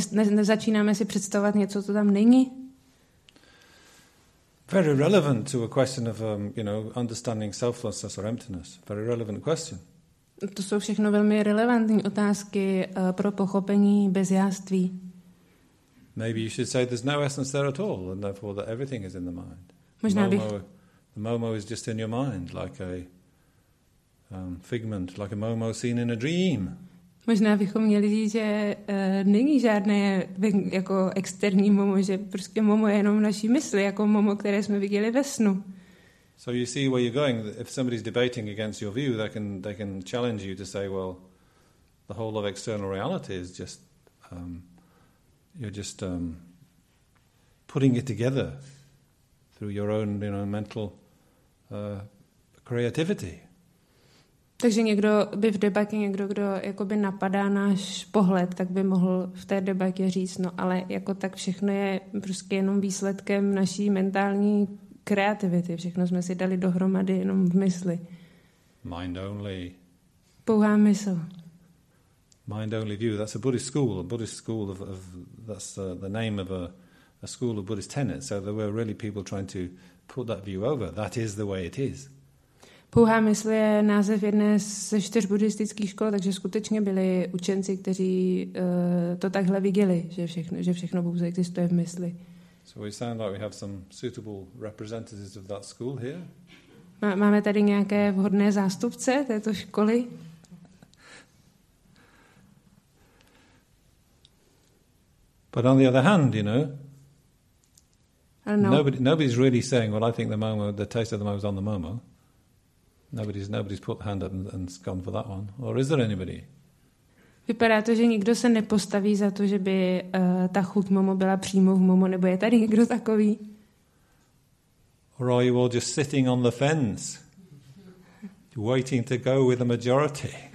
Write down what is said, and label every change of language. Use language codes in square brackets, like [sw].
[cs] Nezačínáme si představovat něco, co tam není? [en] Very relevant to a question of understanding selflessness or emptiness. Very relevant question. [cs] To jsou všechno velmi relevantní otázky pro pochopení bezjáství. [en] Maybe you should say there's no essence there at all and therefore that everything is in the mind. [cs] Možná momo, bych... [en] The momo is just in your mind like a figment, like a momo seen in a dream. [cs] Možná bychom měli říct, že není žádné jako externí momo, že prostě momo je jenom naší mysli, jako momo, které jsme viděli ve snu. [en] So you see where you're going. If somebody's debating against your view, they can challenge you to say, well, the whole of external reality is just you're just putting it together through your own mental creativity. [cs] Takže někdo by v debatě někdo, kdo jakoby napadá náš pohled, tak by mohl v té debatě říct, no, ale jako tak všechno je prostě jenom výsledkem naší mentální kreativity. Všechno jsme si dali dohromady jenom v mysli. [en] Mind only. [cs] Pouhá mysl. [en] Mind only view. That's a Buddhist school. A Buddhist school of that's the name of a school of Buddhist tenets. So there were really people trying to put that view over. That is the way it is. [cs] Pouhá mysl je název jedné ze čtyř buddhistických škol, takže skutečně byli učenci, kteří to takhle viděli, že všechno pouze existuje v mysli. [en] So we sound like we have some suitable representatives of that school here. [cs] Máme tady nějaké vhodné zástupce této školy? [en] But on the other hand, nobody's really saying, well, I think the taste of the momo is on the momo. Nobody's put hand up and gone for that one. Or is there anybody? [cs] Vypadá to, že nikdo se nepostaví za to, že by ta chuť momo byla přímo v momo, nebo je tady někdo takový? [en] Or are you all just sitting on the fence, waiting to go with the majority?